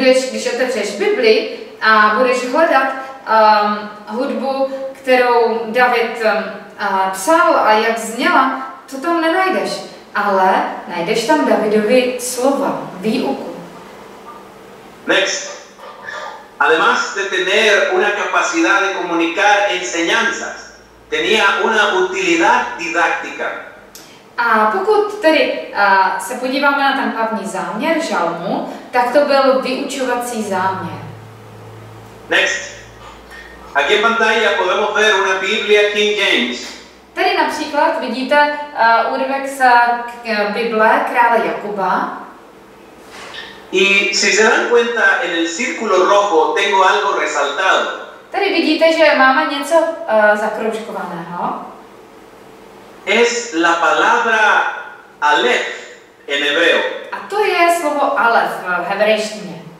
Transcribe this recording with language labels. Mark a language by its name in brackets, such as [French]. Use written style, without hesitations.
[Czech] Když otevřeš Bibli a budeš hledat hudbu, kterou David psal a jak zněla, to tam nenajdeš, ale najdeš tam Davidovi slova, výuku. [English] Next. [Spanish] Además de tener una capacidad de comunicar enseñanzas, tenía una utilidad didáctica. [Czech] A pokud tedy se podíváme na ten hlavní záměr žalmu, tak to byl vyučovací záměr. [English] Next. [Spanish] Aquí en pantalla podemos ver una Biblia King James. [Czech] Tady například vidíte úryvek z Bible krále Jakuba. [Spanish] Y si se dan cuenta, en el círculo rojo tengo algo resaltado. [Czech] Tady vidíte, že máme něco zakroužkovaného. [Spanish] Es la palabra Aleph en hebreo. [Czech] A to je slovo Aleph v hebrejštině.